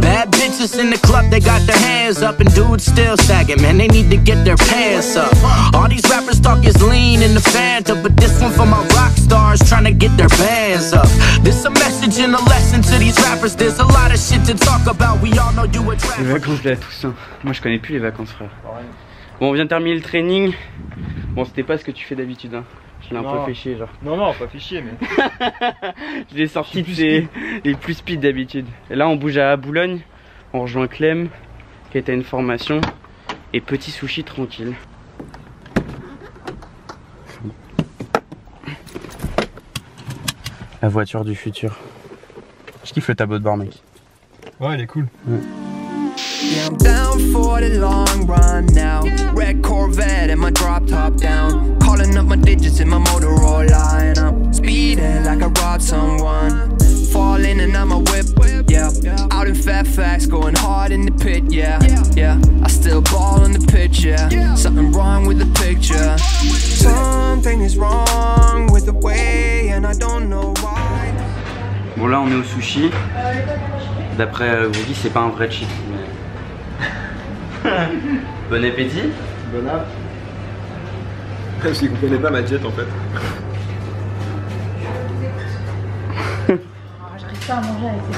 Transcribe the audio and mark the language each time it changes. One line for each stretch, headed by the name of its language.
English: Bad bitches in the club, they got their hands up. And dudes still sagging, man, they need to get their pants up. All these rappers talk is lean in the Fanta, but this one for my rock stars trying to get their bands up. This a message and a lesson to these rappers. There's a lot of shit to talk about. We all know you a trapper.
French: Les vacances là, tout ça. Moi je connais plus les vacances, frère. Bon, on vient de terminer le training. Bon, c'était pas ce que tu fais d'habitude, hein. Je l'ai un peu fait chier, genre. Non, pas fait chier, mais. Je l'ai sorti de les plus speed d'habitude. Et là, on bouge à Boulogne. On rejoint Clem, qui était une formation. Et petit sushi tranquille. La voiture du futur. Je kiffe le tableau de bord, mec. Ouais, il est cool. Ouais.
English: Yeah, I'm down for the long run now. Red Corvette and my drop top down. Calling up my digits in my Motorola. And I'm speeding like I robbed someone. Falling and I'm a whip, yeah. Out in Fairfax, going hard in the pit, yeah. Yeah, I still ball on the pitch, yeah. Something wrong with the picture. Something is wrong with the way, and I don't know why.
French: Bon, là on est au sushi. D'après Woogie, c'est pas un vrai cheat. Bon appétit. Bon appétit. Je ne comprenais pas ma diète en fait. Je n'arrive pas à manger avec ces